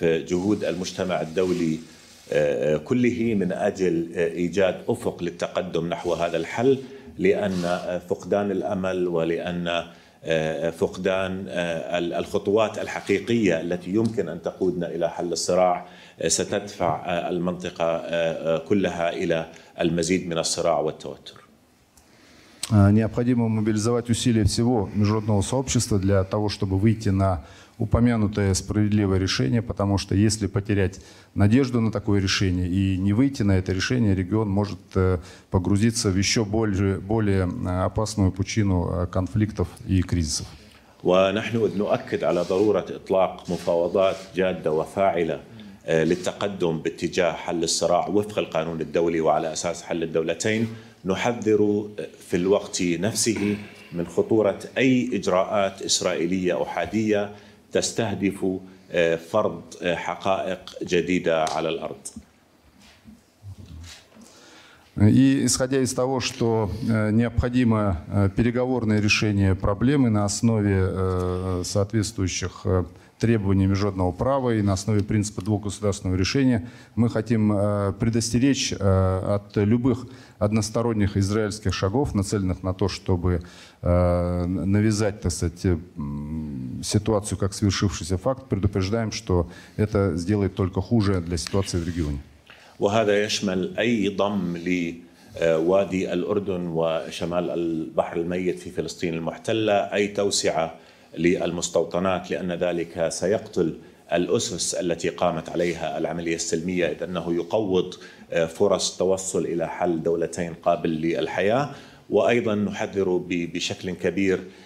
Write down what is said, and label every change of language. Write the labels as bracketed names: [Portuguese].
[Arabic] كله من أجل إيجاد أفق للتقدم نحو هذا الحل لأن فقدان الأمل ولأن فقدان الخطوات الحقيقية التي يمكن أن تقودنا إلى حل الصراع ستدفع المنطقة كلها إلى المزيد من الصراع والتوتر. [Russian] Необходимо мобилизовать усилия всего международного сообщества для того, чтобы выйти на упомянутое справедливое решение, потому что если потерять надежду на такое решение и не выйти на это решение, регион может погрузиться в еще более опасную пучину конфликтов и кризисов. [Arabic] ونحن نؤكد على ضرورة إطلاق مفاوضات جادة وفاعلة للتقدم باتجاه حل الصراع وفق القانون الدولي وعلى أساس حل الدولتين. نحذر في الوقت نفسه من خطورة أي إجراءات إسرائيلية أحادية تستهدف فرض حقائق جديدة على الأرض. [Russian] И исходя из того, что необходимо переговорное решение проблемы на основе соответствующих требований международного права и на основе принципа двухгосударственного решения, мы хотим предостеречь от любых односторонних израильских шагов, нацеленных на то, чтобы навязать, так сказать, ситуацию как свершившийся факт. Предупреждаем, что это сделает только хуже для ситуации в регионе. [Arabic] وهذا يشمل أي ضم لوادي الأردن وشمال البحر الميت في فلسطين المحتلة أي توسعة للمستوطنات لأن ذلك سيقتل الأسس التي قامت عليها العملية السلمية إذ أنه يقوض فرص التوصل إلى حل دولتين قابل للحياة وأيضا نحذر بشكل كبير